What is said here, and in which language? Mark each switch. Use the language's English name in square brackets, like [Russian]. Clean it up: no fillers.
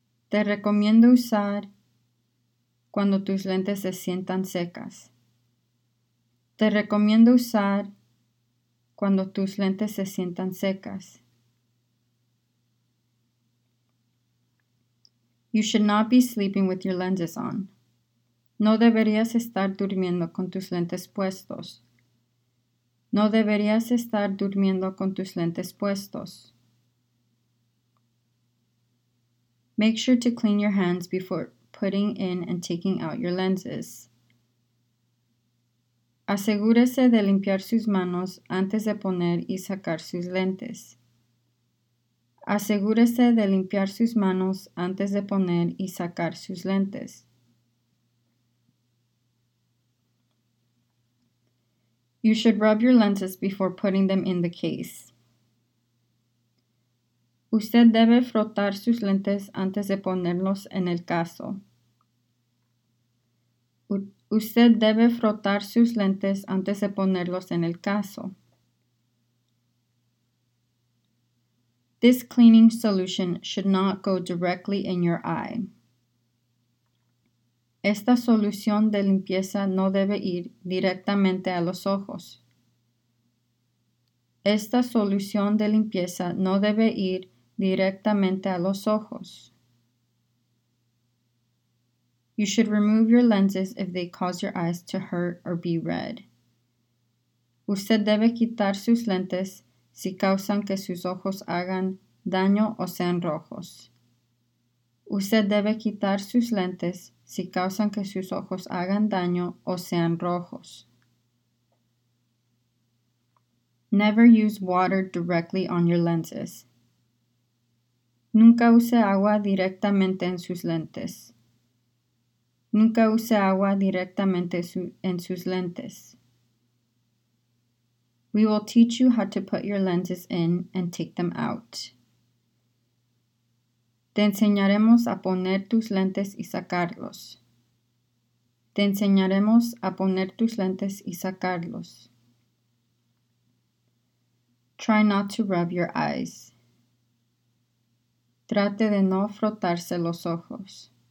[Spanish] Te recomiendo usar cuando tus lentes se sientan secas. Te recomiendo usar cuando tus lentes se sientan secas. [English] You should not be sleeping with your lenses on. [Spanish] No deberías estar durmiendo con tus lentes puestos. No deberías estar durmiendo con tus lentes puestos. [English] Make sure to clean your hands before putting in and taking out your lenses. [Spanish] Asegúrese de limpiar sus manos antes de poner y sacar sus lentes. Asegúrese de limpiar sus manos antes de poner y sacar sus lentes. [English] You should rub your lenses before putting them in the case. [Spanish] Usted debe frotar sus lentes antes de ponerlos en el caso. Usted debe frotar sus lentes antes de ponerlos en el caso. [English] This cleaning solution should not go directly in your eye. [Spanish] Esta solución de limpieza no debe ir directamente a los ojos. Esta solución de limpieza no debe ir directamente a los ojos. [English] You should remove your lenses if they cause your eyes to hurt or be red. [Spanish] Usted debe quitar sus lentes si causan que sus ojos hagan daño o sean rojos. Usted debe quitar sus lentes si causan que sus ojos hagan daño o sean rojos. [English] Never use water directly on your lenses. [Spanish] Nunca use agua directamente en sus lentes. Nunca use agua directamente en sus lentes. [English] We will teach you how to put your lenses in and take them out. [Spanish] Te enseñaremos a poner tus lentes y sacarlos. Te enseñaremos a poner tus lentes y sacarlos. [English] Try not to rub your eyes. [Spanish] Trate de no frotarse los ojos.